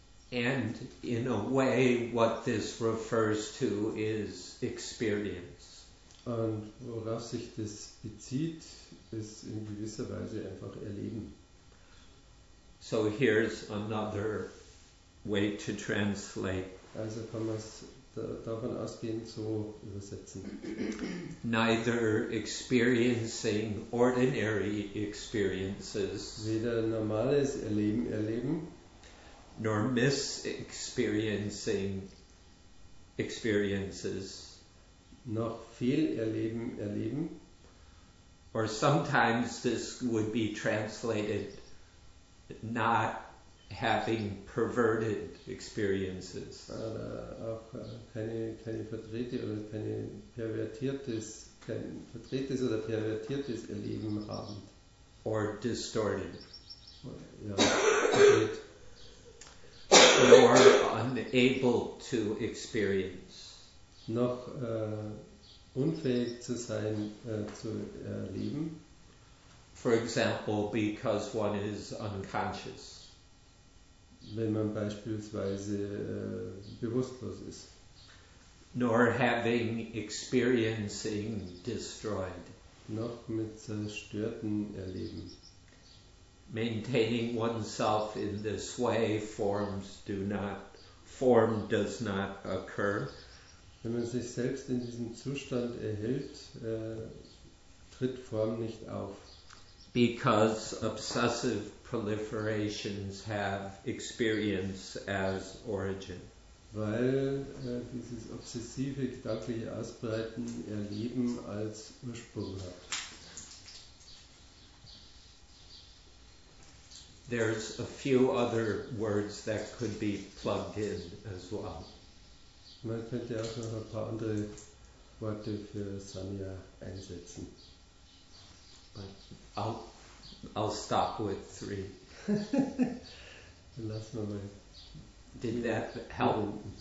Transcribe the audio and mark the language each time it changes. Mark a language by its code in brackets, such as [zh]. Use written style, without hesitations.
[en] And in a way, what this refers to is experience. [de] Und worauf sich das bezieht, ist in gewisser Weise einfach Erleben. [en] So here's another way to translate. [de] Also kann man es davon ausgehend so übersetzen. [en] Neither experiencing ordinary experiences. [de] Weder normales Erleben. [en] Nor mis-experiencing experiences. [de] Noch Fehlerleben erleben. [en] Or sometimes this would be translated not having perverted experiences. [de] Oder auch keine verdrehte oder keine pervertiertes, kein verdrehtes oder pervertiertes Erleben haben. [en] Or distorted. [de] Ja, [en] nor unable to experience. [de] Noch unfähig zu sein, zu erleben. [en] For example, because one is unconscious. [de] Wenn man beispielsweise bewusstlos ist. [en] Nor having experiencing destroyed. [de] Noch mit zerstörten Erleben. [en] Maintaining oneself in this way, form does not occur. [de] Wenn man sich selbst in diesem Zustand erhält, tritt Form nicht auf. [en] Because obsessive proliferations have experience as origin. [de] Weil dieses obsessive gedankliche Ausbreiten Erleben als Ursprung hat. [en] There's a few other words that could be plugged in as well. [de] Man könnte auch noch ein paar andere Worte für Sanya einsetzen. [en] I'll stop with three. [de] Lass mal mal. [en] Did that help?